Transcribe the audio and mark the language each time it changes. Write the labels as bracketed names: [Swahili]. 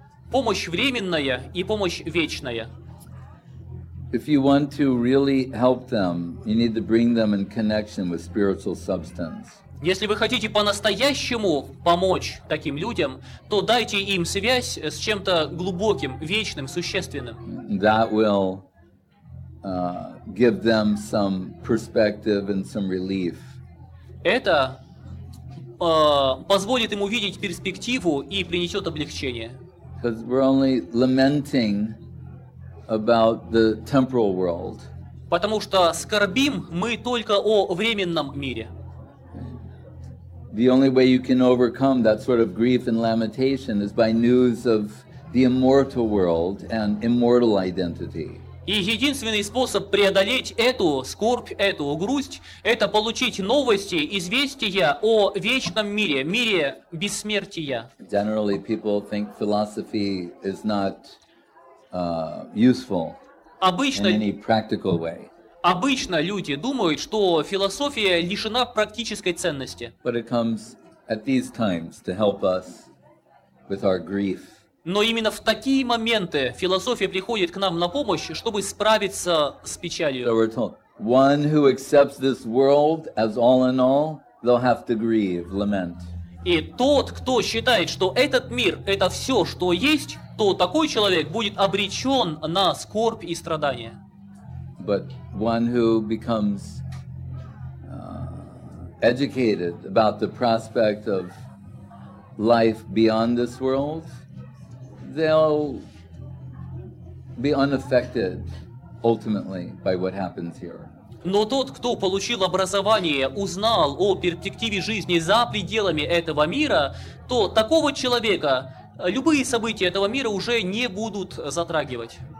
[Russian] Помощь временная и помощь вечная. [English] If you want to really help them, you need to bring them in connection with spiritual substance. [Russian] Если вы хотите по-настоящему помочь таким людям, то дайте им связь с чем-то глубоким, вечным, существенным. [English] That will give them some perspective and some relief. [Russian] Это позволит им увидеть перспективу и принесет облегчение. [English] Because we're only lamenting about the temporal world. [Russian] Потому что скорбим мы только о временном мире. [English] The only way you can overcome that sort of grief and lamentation is by news of the immortal world and immortal identity. [Russian] И единственный способ преодолеть эту скорбь, эту грусть, это получить новости, известия о вечном мире, мире бессмертия. [English] Generally, people think philosophy is not useful [Russian] обычно, [English] in any practical way. [Russian] Обычно люди думают, что философия лишена практической ценности. [English] But it comes at these times to help us with our grief. [Russian] Но именно в такие моменты философия приходит к нам на помощь, чтобы справиться с печалью. [English] So we're told, one who accepts this world as all in all, they'll have to grieve, lament. [Russian] И тот, кто считает, что этот мир – это все, что есть, то такой человек будет обречен на скорбь и страдания. [English] But one who becomes educated about the prospect of life beyond this world, they'll be unaffected ultimately by what happens here. [Russian] Но тот, кто получил образование, узнал о перспективе жизни за пределами этого мира, то такого человека любые события этого мира уже не будут затрагивать.